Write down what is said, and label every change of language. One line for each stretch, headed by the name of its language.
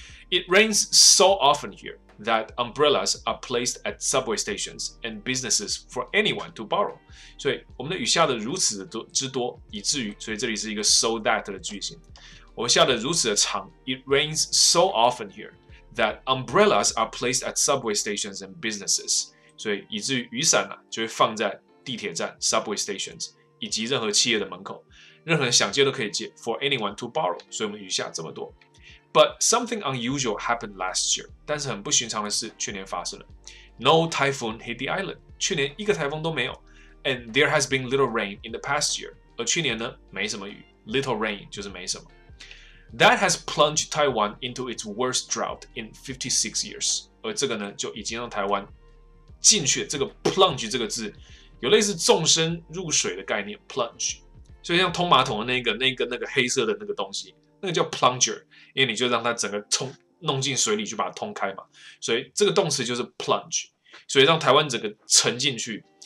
English: It rains so often here that umbrellas are placed at subway stations and businesses for anyone to borrow。
Chinese: 所以我们的雨下的如此的多之多，以至于，所以这里是一个 so that 的句型。我们下的如此的长
English: ，It rains so often here that umbrellas are placed at subway stations and businesses。
Chinese: 所以以至于雨伞呢、啊、就会放在地铁站 subway stations 以及任何企业的门口，任何人想借都可以借
English: for anyone to borrow，
Chinese: 所以我们雨下这么多。
English: But something unusual happened last year，
Chinese: 但是很不寻常的事去年发生了。
English: No typhoon hit the island，
Chinese: 去年一个台风都没有。
English: And there has been little rain in the past year.
Chinese: 而去年呢，没什么雨。Little rain 就是没什么。
English: That has plunged Taiwan into its worst drought in 56 years.
Chinese: 而这个呢，就已经让台湾进去。这个 plunge 这个字有类似纵身入水的概念 ，plunge。所以像通马桶的那个黑色的那个东西，那个叫 plunger， 因为你就让它整个冲弄进水里去把它通开嘛。所以这个动词就是 plunge， 所以让台湾整个沉进去。